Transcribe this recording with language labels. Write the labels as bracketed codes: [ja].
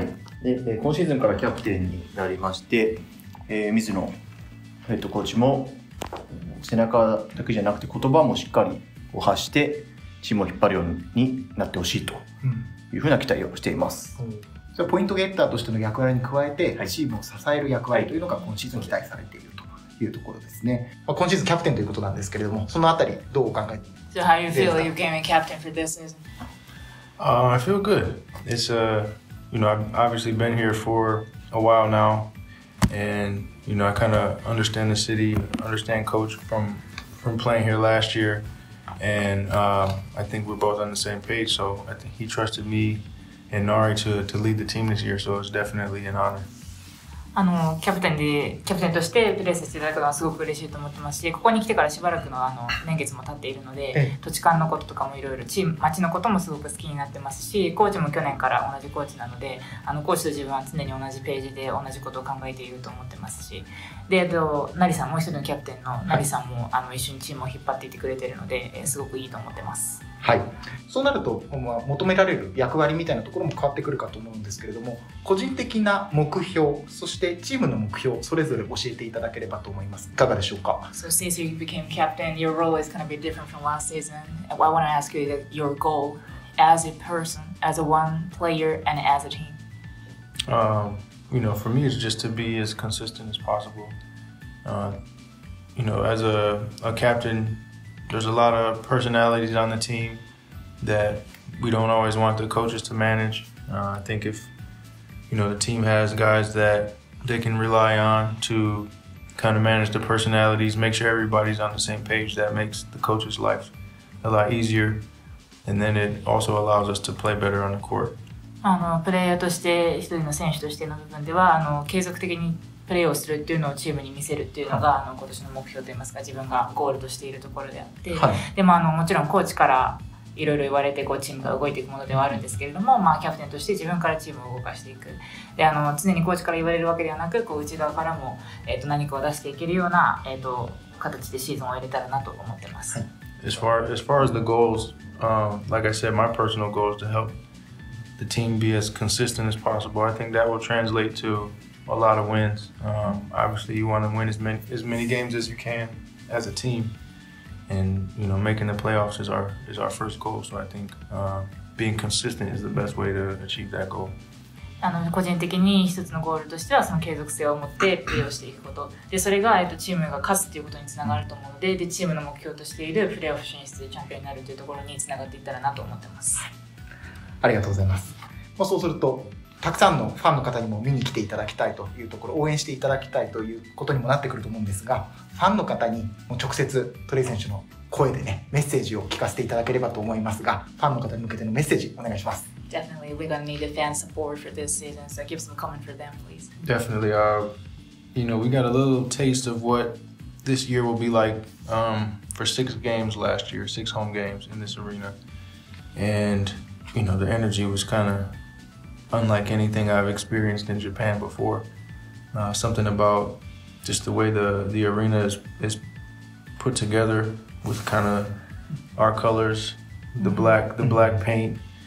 [ja] はい、で今シーズンからキャプテンになりまして、水野ヘッドコーチも背中だけじゃなくて言葉もしっかり発してチームを引っ張るようになってほしいというふうな期待をしています。うん、それポイントゲッターとしての役割に加えて、はい、チームを支える役割というのが今シーズン期待されているというところですね。まあ、今シーズンキャプテンということなんですけれども、そのあたりどうお考えですか？ [en] So how you feel you became a captain for this season? I feel good. It's you know, I've obviously been here for a while now, and you know, I kind of understand the city, understand coach from playing here last year, and I think we're both on the same page. So I think he trusted me and Nari to lead the team this year. So it's definitely an honor. [ja] あのキャプテンとしてプレーさせていただくのはすごく嬉しいと思ってますし、ここに来てからしばらく の, あの年月も経っているので、土地勘のこととかもいろいろ町のこともすごく好きになってますし、コーチも去年から同じコーチなので、あのコーチと自分は常に同じページで同じことを考えていると思ってますし、でナリさん、もう一人のキャプテンのナリさんも、はい、あの一緒にチームを引っ張っていてくれているので、すごくいいと思ってます。はい、そうなると、まあ、求められる役割みたいなところも変わってくるかと思うんですけれども、個人的な目標、そしてチームの目標、それぞれ教えていただければと思います。いかがでしょうか。 [en] So since you became captain, your role is going to be different from last season. I want to ask you your goal as a person, as a one player, and as a team. You know, for me, it's just to be as consistent as possible. You know, as a captain,There's a lot of personalities on the team that we don't always want the coaches to manage. I think if, you know, the team has guys that they can rely on to kind of manage the personalities, make sure everybody's on the same page, that makes the coach's life a lot easier. And then it also allows us to play better on the court. [ja] あのプレイヤーとして一人の選手としての部分では、あの継続的にプレーをするっていうのをチームに見せるっていうのが、はい、あの今年の目標といいますか、自分がゴールとしているところであって、はい、でもあのもちろんコーチからいろいろ言われてこうチームが動いていくものではあるんですけれども、まあ、キャプテンとして自分からチームを動かしていく。で、常にコーチから言われるわけではなく、こう内側からも、何かを出していけるような、形でシーズンを終えたらなと思ってます。 [en] As far as the goals, like I said, my personal goal is to help the team be as consistent as possible. I think that will translate to a lot of wins. Obviously, you want to win as many games as you can as a team. And, you know, making the playoffs is our first goal. So I think being consistent is the best way to achieve that goal. [ja] 個人的に一つのゴールとしてはその継続性を持ってプレーをしていくこと。で、それが、チームが勝つということにつながると思うので、で、チームの目標としているプレーオフ進出でチャンピオンになるというところにつながっていったらなと思ってます。ありがとうございます。まあ、そうするとたくさんのファンの方にも見に来ていただきたいというところ、応援していただきたいということにもなってくると思うんですが、ファンの方にも直接トレイ選手の声でね、メッセージを聞かせていただければと思いますが、ファンの方に向けてのメッセージお願いします。 [en] Definitely we're gonna need a fan support for this season, so give some comment for them please. Definitely, you know, we got a little taste of what this year will be like for six games last year, six home games in this arena, and you know, the energy was kind ofUnlike anything I've experienced in Japan before, something about just the way the arena is put together with kind of our colors, the black paint.